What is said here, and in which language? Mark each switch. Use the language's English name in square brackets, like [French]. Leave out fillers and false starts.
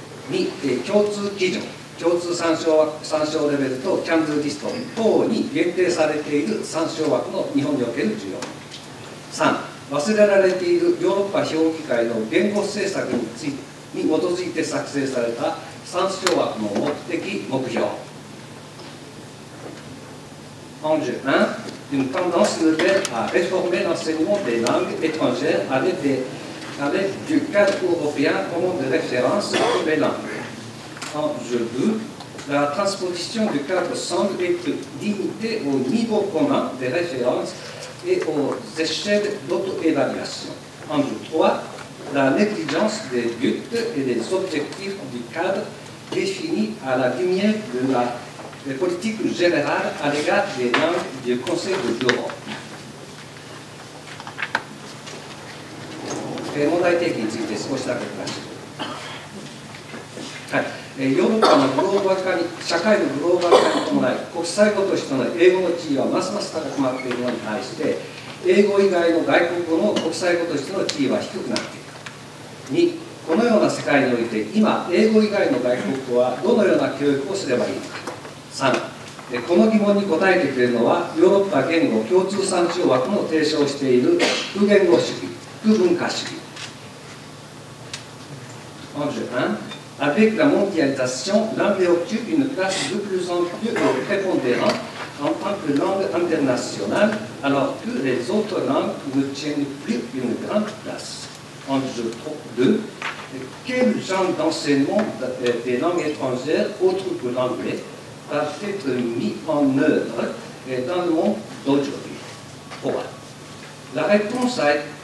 [Japanese] 2、共通基準、共通参照レベルとキャンドゥリスト等に限定されている参照枠の日本における需要。 3、忘れられているヨーロッパ評議会の言語政策に基づいて作成された参照枠の目的、目標。 [French] 41、une tendance nouvelle à réformer l'enseignement des langues étrangères avec du cadre européen commun de référence pour les langues. En jeu 2, la transposition du cadre semble être limitée au niveau commun de référence et aux échelles d'auto-évaluation. En jeu 3, la négligence des buts et des objectifs du cadre défini à la lumière de la politique générale à l'égard des langues du Conseil de l'Europe. [Japanese] 問題提起について少しだけ詳しく、はい、ヨーロッパのグローバル化に社会のグローバル化に伴い国際語としての英語の地位はますます高くなっているのに対して英語以外の外国語の国際語としての地位は低くなっている。 2、このような世界において今英語以外の外国語はどのような教育をすればいいのか。 3、この疑問に答えてくれるのはヨーロッパ言語共通参照枠も提唱している複言語主義文化主義。 [French] En jeu 1, avec la mondialisation, l'anglais occupe une place de plus en plus prépondérante en tant que langue internationale, alors que les autres langues ne tiennent plus une grande place. En jeu 2, quel genre d'enseignement des langues étrangères autres que l'anglais va être mis en œuvre dans le monde d'aujourd'hui ? La réponse a été.